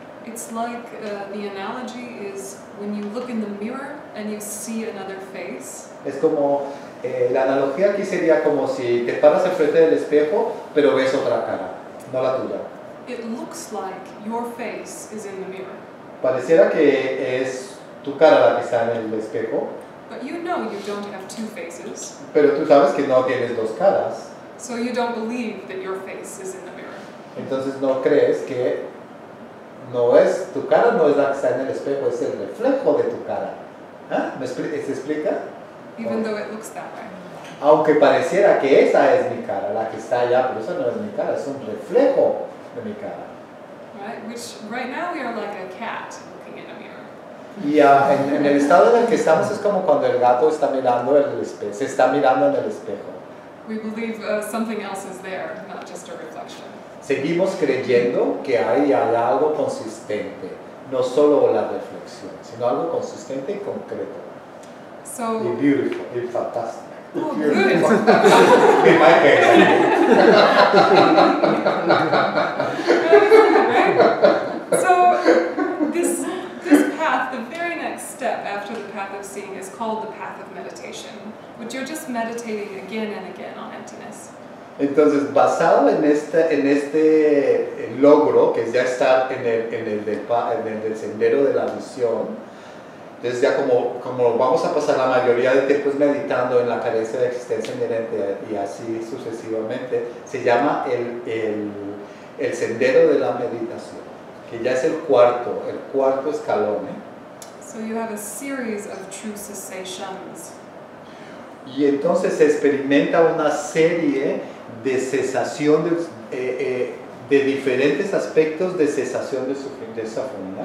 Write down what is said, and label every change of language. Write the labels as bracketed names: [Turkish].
[English] It's like the analogy is when you look in the mirror and you see another face. [Spanish] Es como la analogía aquí sería como si te paras enfrente del espejo, pero ves otra cara, no la tuya. [English] It looks like your face is in the mirror. [Spanish] Pareciera que es tu cara la que está en el espejo. [English] But you know you don't have two faces. [Spanish] Pero tú sabes que no tienes dos caras. [English] So you don't believe that your face is in the mirror. [Spanish] Entonces no crees que no es tu cara, no es la que está en el espejo, es el reflejo de tu cara. ¿Ah? ¿Se explica? [English] Even though it looks that way. [Spanish] Aunque pareciera que esa es mi cara, la que está allá, pero esa no es mi cara, es un reflejo. [English] Right, which right now we are like a cat looking in a mirror. [Spanish] Yeah, en el estado en el que estamos es como cuando el gato está mirando se está mirando en el espejo. [English] We believe something else is there, not just a reflection. [Spanish] Seguimos creyendo que hay algo consistente, no solo la reflexión, sino algo consistente y concreto. [English] So y beautiful, y fantastic. Oh, good. In my case. So this path, the very next step after the path of seeing, is called the path of meditation, which you're just meditating again and again on emptiness. [Spanish] Entonces, basado en este logro, que es ya estar en el sendero de la visión. Entonces ya como vamos a pasar la mayoría del tiempo es meditando en la carencia de existencia inherente y así sucesivamente, se llama el sendero de la meditación, que ya es el cuarto escalón. So you have a series of true cessations. Y entonces se experimenta una serie de cesaciones, de diferentes aspectos de cesación de sufrimiento.